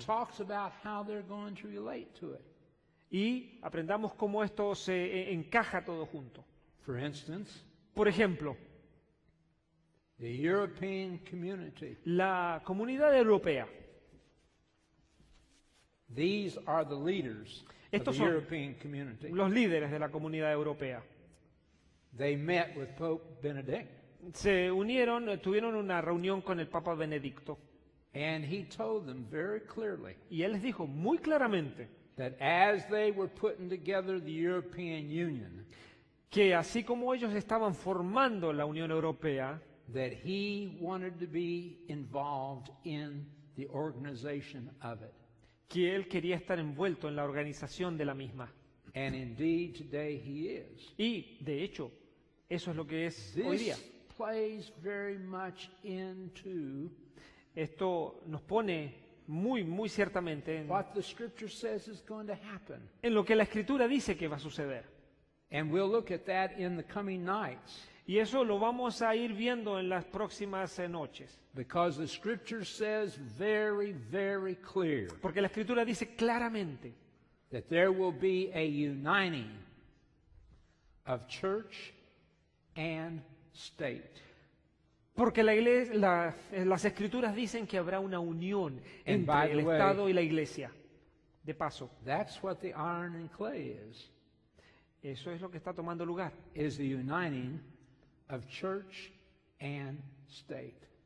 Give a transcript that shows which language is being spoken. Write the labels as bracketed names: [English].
[English] Talks about how they're going to relate to it. [Spanish] Y aprendamos cómo esto se encaja todo junto. [English] For instance, [Spanish] por ejemplo, [English] the European community. [Spanish] La comunidad europea. [English] These are the leaders. [Spanish] Estos son los líderes de la comunidad europea. [English] They met with Pope Benedict. [Spanish] Se unieron, tuvieron una reunión con el Papa Benedicto. [English] And he told them very clearly. [Spanish] Y él les dijo muy claramente. [English] That as they were putting together the European Union. [Spanish] Que así como ellos estaban formando la Unión Europea. [English] That he wanted to be involved in the organization of it. [Spanish] Que él quería estar envuelto en la organización de la misma. [English] And indeed, today he is. [Spanish] Y, de hecho, eso es lo que es [English] this [Spanish] hoy día. [English] Plays very much into [Spanish] esto nos pone muy, muy ciertamente en, [English] what the scripture says is going to happen. [Spanish] En lo que la escritura dice que va a suceder. [English] And we'll look at that in the coming nights. [Spanish] Y eso lo vamos a ir viendo en las próximas noches. [English] Because the scripture says very, very clear. [Spanish] Porque la escritura dice claramente [English] that there will be a uniting of church and state. [Spanish] Porque la iglesia, las escrituras dicen que habrá una unión entre el Estado y la iglesia. De paso, [English] that's what the iron and clay is. [Spanish] Eso es lo que está tomando lugar. [English] Is the uniting of church and state.